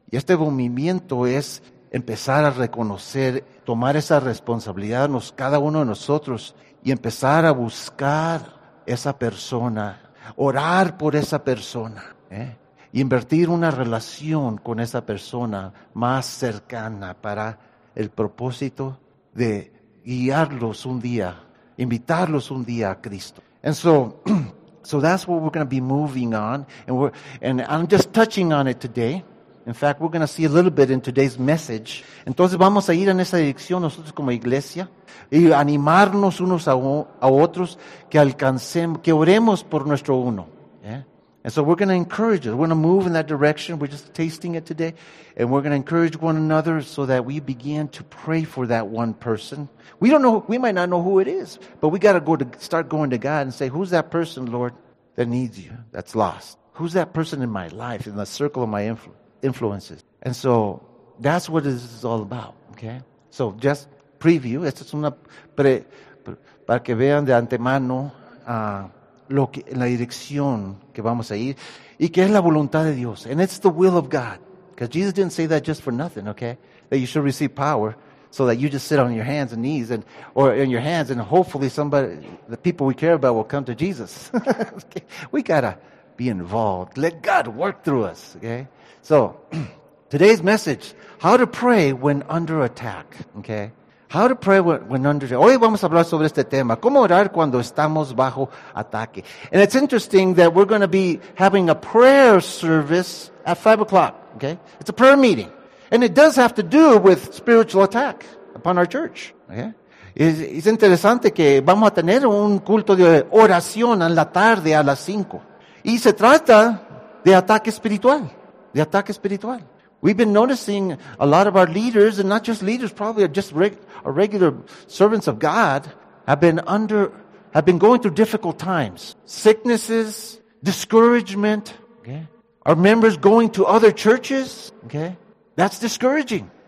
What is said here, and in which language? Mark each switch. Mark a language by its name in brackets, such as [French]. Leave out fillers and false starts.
[Spanish] Y este movimiento es empezar a reconocer, tomar esa responsabilidad cada uno de nosotros y empezar a buscar esa persona, orar por esa persona, ¿eh? Y invertir una relación con esa persona más cercana para el propósito de guiarlos un día, invitarlos un día a Cristo. [English] And so that's what we're going to be moving on, and I'm just touching on it today. In fact, we're going to see a little bit in today's message. [Spanish] Entonces vamos a ir en esa dirección nosotros como iglesia y animarnos unos a otros que alcancemos, que oremos por nuestro uno. [English] Yeah? And so we're going to encourage it. We're going to move in that direction. We're just tasting it today. And we're going to encourage one another so that we begin to pray for that one person. We don't know, we might not know who it is, but we got to start going to God and say, who's that person, Lord, that needs you, that's lost? Who's that person in my life, in the circle of my influences. And so that's what this is all about. Okay? So just preview. [Spanish] Esto es una para que vean de antemano la dirección que vamos a ir. Y que es la voluntad de Dios. [English] And it's the will of God. Because Jesus didn't say that just for nothing, okay? That you should receive power so that you just sit on your hands and knees and or in your hands and hopefully somebody, the people we care about will come to Jesus. Okay? We gotta be involved. Let God work through us, okay? So, today's message, how to pray when under attack, okay? How to pray when under attack. [Spanish] Hoy vamos a hablar sobre este tema. ¿Cómo orar cuando estamos bajo ataque? [English] And it's interesting that we're going to be having a prayer service at 5 o'clock, okay? It's a prayer meeting. And it does have to do with spiritual attack upon our church, okay? [Spanish] Es interesante que vamos a tener un culto de oración en la tarde a las 5. Y se trata de ataque espiritual. De ataque espiritual. [English] We've been noticing a lot of our leaders, and not just leaders, probably just regular servants of God, have been going through difficult times. Sicknesses, discouragement, okay? Our members going to other churches, okay? That's discouraging.